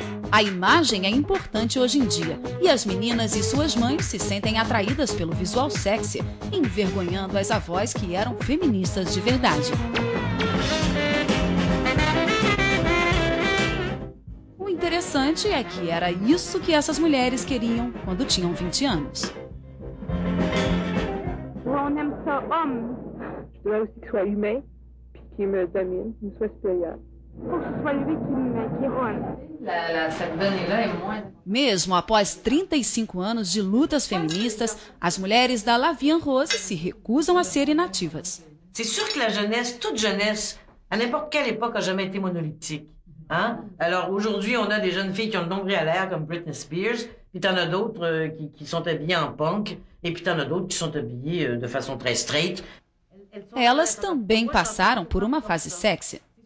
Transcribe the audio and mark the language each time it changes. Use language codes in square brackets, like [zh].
[pt] A imagem é importante hoje em dia, e as meninas e suas mães se sentem atraídas pelo visual sexy, envergonhando as avós que eram feministas de verdade. O interessante é que era isso que essas mulheres queriam quando tinham 20 anos. [fr] On aime ça, homme. Je voudrais aussi que ce soit humain, puis qu'il me domine, qu'il me soit supérieur. Pour que ce soit lui qui me ronde. [pt] Mesmo após 35 anos de lutas feministas, as mulheres da Lavian Rose se recusam a ser inativas. [fr] C'est sûr que la jeunesse, toute jeunesse, à n'importe quelle époque, a jamais été monolithique. Hein? Alors aujourd'hui, on a des jeunes filles qui ont le nombril à l'air, comme Britney Spears, puis t'en as d'autres qui sont habillées en punk, et puis t'en as d'autres qui sont habillées de façon très straight. [pt] Elles também passaram por uma fase sexy.